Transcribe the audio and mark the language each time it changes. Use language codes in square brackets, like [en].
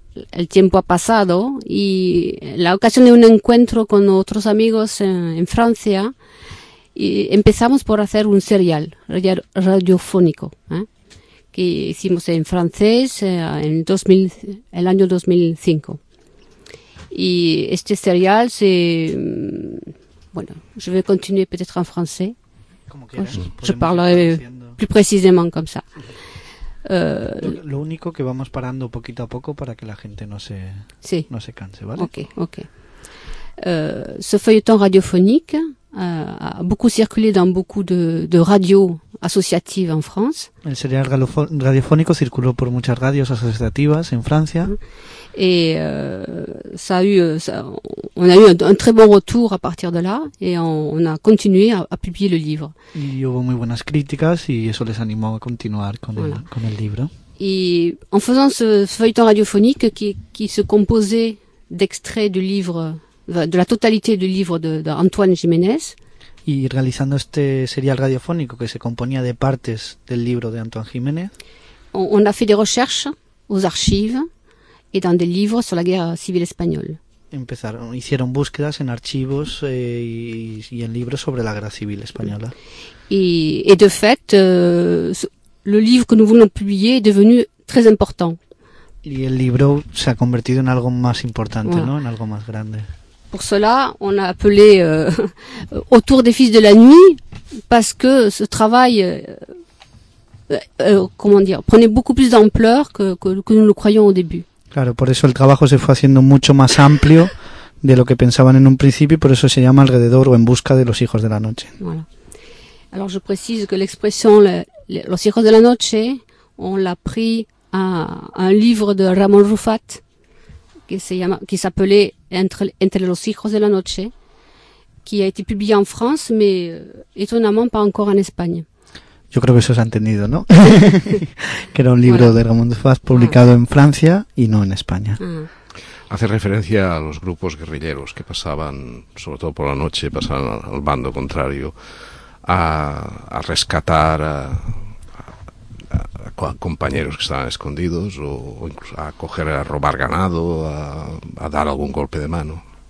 [es] el tiempo ha pasado y la ocasión de un encuentro con otros amigos en Francia y empezamos por hacer un serial radiofónico, que hicimos en francés el año 2005. Y este serial se... [fr] Bueno, je vais continuer peut-être en français. [es] Como quieras. [fr] Je parlerai plus précisément comme ça. [es] Lo único que vamos parando poquito a poco para que la gente no se, sí, no se canse, ¿vale? Ok, ok. [fr] Ce feuilleton radiophonique a beaucoup circulé dans beaucoup de radios associatives en France. [es] El serial radiofónico circuló por muchas radios asociativas en Francia. [fr] Et ça a eu, ça, on a eu un très bon retour à partir de là, et on a continué à publier le livre. [es] Y hubo muy buenas críticas y eso les animó a continuar con, voilà, con el libro. [fr] Et en faisant ce feuilleton radiophonique qui se composait d'extraits du livre, de la totalité du livre d'Antoine Jiménez. [es] Y realizando este serial radiofónico que se componía de partes del libro de Antoine Jiménez. [fr] On a fait des recherches aux archives et dans des livres sur la guerre civile espagnole. [es] Hicieron búsquedas en archivos y en libros sobre la guerra civil española. [fr] Et de fait, le livre que nous voulons publier est devenu très important. [es] Y el libro se ha convertido en algo más importante, voilà, ¿no? En algo más grande. [fr] Pour cela, on a appelé Autour des fils de la nuit, parce que ce travail comment dire, prenait beaucoup plus d'ampleur que nous le croyons au début. [es] Claro, por eso el trabajo se fue haciendo mucho más amplio de lo que pensaban en un principio, y por eso se llama Alrededor o En busca de los hijos de la noche. [fr] Voilà. Alors je précise que l'expression Los hijos de la noche, on l'a pris à un livre de Ramón Rufat, qui s'appelait Entre los hijos de la noche, qui a été publié en France, mais étonnamment pas encore en Espagne. [es] Yo creo que eso se ha entendido, ¿no? Que era un libro, voilà, de Ramón Rufat publicado en Francia y no en España. Hace referencia a los grupos guerrilleros que pasaban, sobre todo por la noche, pasaban al bando contrario, a rescatar a compañeros que estaban escondidos o incluso a coger, a robar ganado, a dar algún golpe de mano.